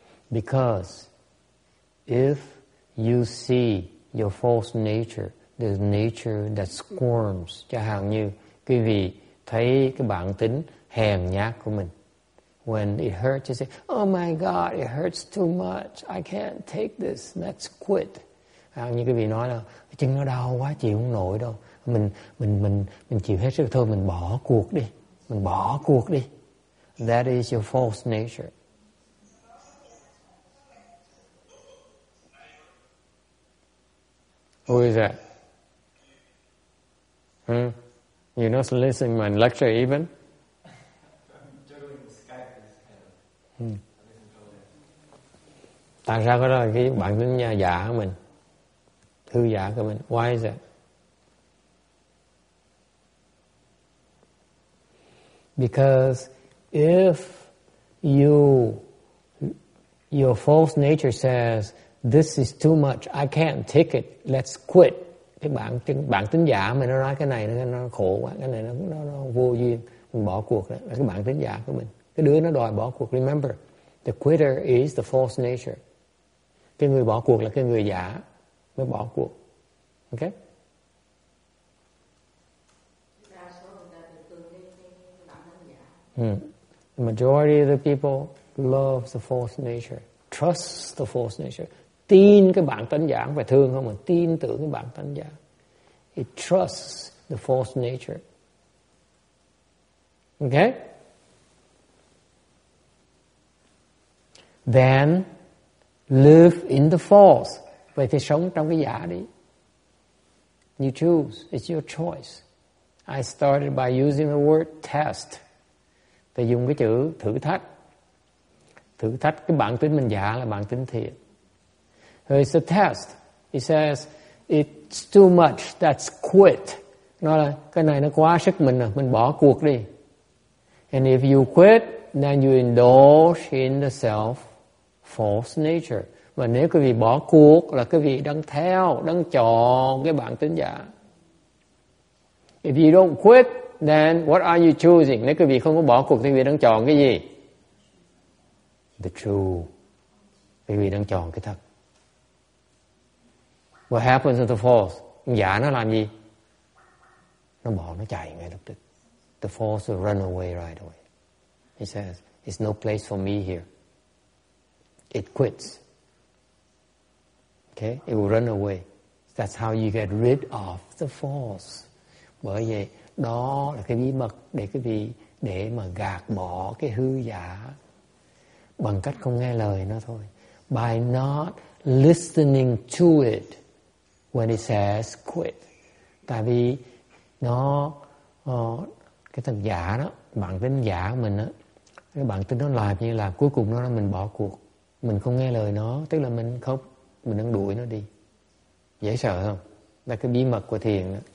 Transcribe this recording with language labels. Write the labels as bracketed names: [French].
[English] Because if you see your false nature, the nature that squirms, [Vietnamese] chẳng hạn như quý vị thấy cái bản tính hèn nhát của mình. [English] When it hurts, you say, oh my God, it hurts too much. I can't take this. Let's quit. [Vietnamese] Hàng như quý vị nói là chân nó đau quá, chịu không nổi đâu. Mình chịu hết sức thôi, mình bỏ cuộc đi. Mình bỏ cuộc đi. [English] That is your false nature. Who is that? You're not listening to my lecture even? [Vietnamese] Tại sao có đó là cái bản tính giả của mình? Hư giả của mình. [English] Why is that? Because if your false nature says, this is too much, I can't take it, let's quit. [Vietnamese] Thì bản tính giả mình nó nói cái này nó khổ quá, cái này nó vô duyên, mình bỏ cuộc đó. Cái bản tính giả của mình, cái đứa nó đòi bỏ cuộc. [English] Remember, the quitter is the false nature. [Vietnamese] Cái người bỏ cuộc là cái người giả mới bỏ cuộc. [English] Ok? The majority of the people loves the false nature, trusts the false nature. [Vietnamese] Tin cái bản tánh giả, không phải thương không, mà tin tưởng cái bản tánh giả. [English] It trusts the false nature. Okay? Then, live in the false. [Vietnamese] Vậy thì sống trong cái giả đi. [English] You choose. It's your choice. I started by using the word test. [Vietnamese] Thì dùng cái chữ thử thách. Thử thách cái bản tính mình giả là bản tính thiệt. [English] It's a test. He says, it's too much, let's quit. [Vietnamese] Nó là, cái này nó quá sức mình rồi, mình bỏ cuộc đi. [English] And if you quit, then you indulge in the self false nature. [Vietnamese] Và nếu quý vị bỏ cuộc là quý vị đang theo, đang chọn cái bản tính giả. [English] If you don't quit, then what are you choosing? [Vietnamese] Nếu quý vị không có bỏ cuộc thì quý vị đang chọn cái gì? [English] The true. [Vietnamese] Quý vị đang chọn cái thật. [English] What happens to the false? [Vietnamese] Giả nó làm gì? Nó bỏ, nó chạy ngay lập tức. [English] The false will run away right away. He says, it's no place for me here. It quits. Okay? It will run away. That's how you get rid of the false. [Vietnamese] Bởi vậy, đó là cái bí mật để cái gì? Để mà gạt bỏ cái hư giả bằng cách không nghe lời nó thôi. [English] By not listening to it when it says quit. [Vietnamese] Tại vì nó cái thằng giả đó, bản tính giả của mình á, cái bản tính nó làm như là cuối cùng nó là mình bỏ cuộc, mình không nghe lời nó, tức là mình không, mình đang đuổi nó đi. Dễ sợ không? Là cái bí mật của thiền đó.